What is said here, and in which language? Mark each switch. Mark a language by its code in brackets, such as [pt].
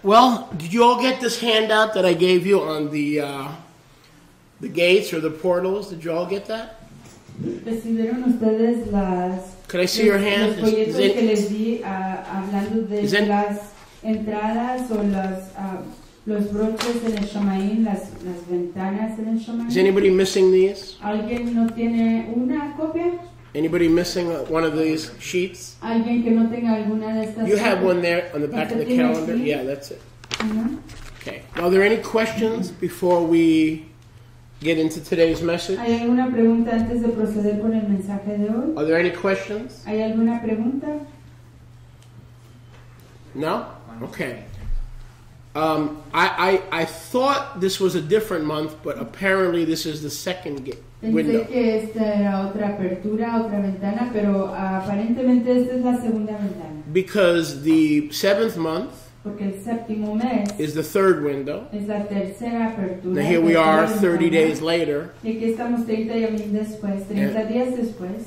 [en] Well, did you all get this handout that I gave you on the gates or the portals? Did you all get that? [es] ¿Recibieron ustedes las... [en] Can I see your hand? [es] Los folletos que les di hablando de las entradas o los broches en el Shamaín, las ventanas en el Shamaín. [en] Is anybody missing these? [es] ¿Alguien no tiene una copia? [en] Anybody missing one of these sheets? [es] ¿Alguien que no tenga alguna de estas? [en] You have one there on the back of the calendar. Yeah, that's it. Okay. Well, are there any questions before we get into today's message? [es] ¿Hay alguna pregunta antes de proceder con el mensaje de hoy? [en] Are there any questions? [es] ¿Hay alguna pregunta? [en] No? Okay. I thought this was a different month, but apparently this is the second window. [es] Pensé que esta era otra apertura, otra ventana, pero aparentemente esta es la segunda ventana. [en] Because the seventh month, [es] porque el séptimo mes, [en] is the third window. [es] Es la tercera apertura. [en] Now here we are 30 days later. [es] Y aquí estamos 30 después, 30 días después.